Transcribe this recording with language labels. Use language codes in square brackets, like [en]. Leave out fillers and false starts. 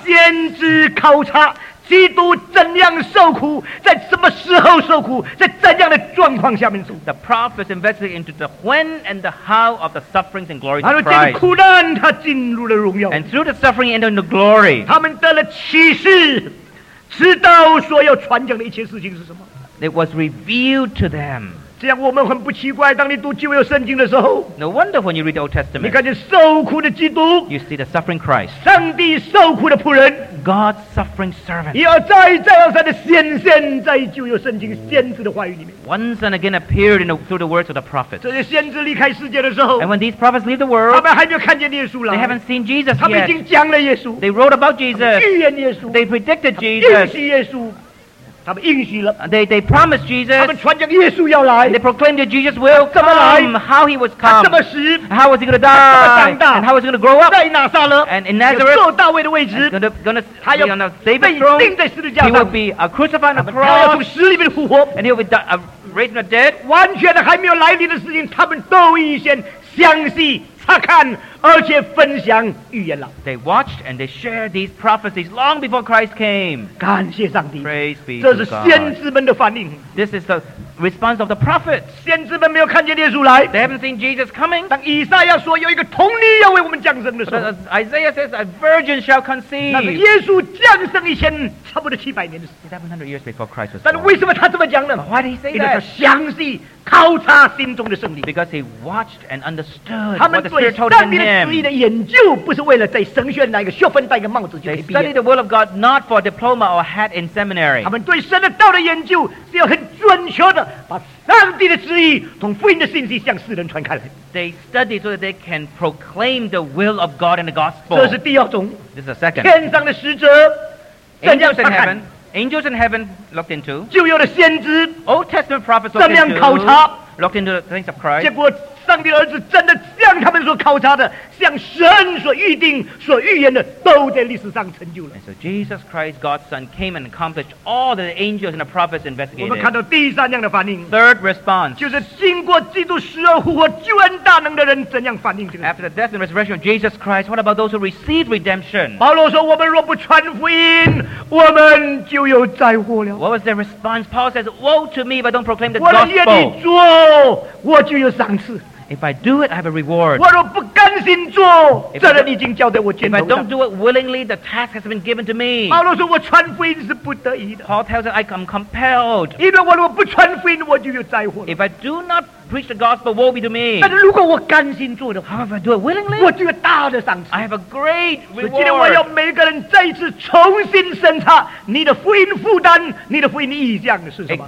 [zh] 先知考察, 基督怎样受苦, 在什么时候受苦, 在怎样的状况下面受苦。 [en] The prophets invested into the when and the how of the sufferings and glories of Christ. [zh] 苦难, 他进入了荣耀。 [en] And through the suffering, entered into glory. [zh] 他们得了启示, 知道所要传讲的一切事情是什么。 [en] It was revealed to them. [zh] 这样我们很不奇怪, 当你读旧约圣经的时候, [en] No wonder when you read the Old Testament, [zh] 你看见受苦的基督, [en] You see the suffering Christ, [zh] 上帝受苦的仆人, [en] God's suffering servant, [zh] 要再再而三地显现在旧约圣经先知的话语里面, [en] Once and again appeared in through the words of the prophets. [zh] 这些先知离开世界的时候, [en] And when these prophets leave the world, [zh] 他们还没有看见耶稣了, [en] They haven't seen Jesus yet. [zh] 他们已经讲了耶稣, [en] They wrote about Jesus, [zh] 他们预言耶稣, [en] They predicted Jesus, [zh] 他们应许耶稣, [en] They promised Jesus. [zh] 他们传讲耶稣要来, [en] they proclaimed that Jesus will come. [zh] 他怎么来, [en] how he was come. [zh] 他怎么死, [en] how was he going to die. [zh] 他怎么长大, [en] and how was he going to grow up. [zh] 在哪撒勒, [en] and in Nazareth. [zh] 坐大卫的位置, [en] and going to be on David's throne. [zh] 被钉在十字架上, [en] he will be crucified on the cross. [zh] 他要从死里面复活, [en] and he will be raised from the dead. [zh] 完全还没有来临的事情, 他们都已先相信、查看, 而且分享预言了。 [en] They watched and they shared these prophecies long before Christ came. [zh] 感谢上帝。 [en] Praise be to God. [zh] 这是先知们的反应。 [en] This is the response of the prophets. [zh] 先知们没有看见耶稣来。 [en] They haven't seen Jesus coming. [zh] 当以赛亚说有一个童女要为我们降生的时候, [en] Isaiah says a virgin shall conceive. [zh] 那是耶稣降生以前差不多700年的事。 [en] 700 years before Christ was born. [zh] 但为什么他这么讲呢? [en] Why did he say that? [zh] 因为他详细, 考察心中的圣灵。 [en] Because he watched and understood what the Spirit told him. [zh] 他们对上帝的研究不是为了在神学拿一个学分戴一个帽子就可以毕业。 [en] They studied the will of God not for diploma or hat in seminary. [zh] 他们对神的道的研究是要很准确的, 把上帝的旨意从福音的信息向世人传开来。 [en] They studied so that they can proclaim the will of God in the gospel. [zh] 这是第二种。 [en] This is the second. [zh] 天上的使者, [en] angels in heaven. Angels in heaven looked into. [zh] 旧约的先知, [en] Old Testament prophets looked into. [zh] 怎么样考察, [en] looked into the things of Christ. [zh] 结果, 上帝的儿子真的像他们所考察的，像神所预定所预言的，都在历史上成就了。 [en] And so Jesus Christ, God's son, came and accomplished all that the angels and the prophets investigated. [zh] 我们看到第三样的反应。 [en] Third response, [zh] 就是经过基督死而复活救恩大能的人怎样反应。 [en] After the death and resurrection of Jesus Christ, what about those who received redemption? [zh] 保罗说，我们若不传福音，我们就有灾祸了。 [en] What was their response? Paul says, woe to me if I don't proclaim the gospel. [zh] 我愿意做，我就有赏赐。 [en] If I do it, I have a reward. [zh] 我若不甘心做，责任已经交在我肩头上。 [en] If I don't do it willingly, the task has been given to me. [zh] 保罗说，我传福音是不得已的。 [en] Paul tells us, I am compelled. [zh] 因为我若不传福音，我就有灾祸。 [en] If I do not preach the gospel, woe be to me. [zh] 但是如果我甘心做的话 [en] ，If I do it willingly, [zh] 我就有大的赏赐。 [en] I have a great reward. [zh] 所以今天我要每个人再次重新审查你的福音负担，你的福音意向是什么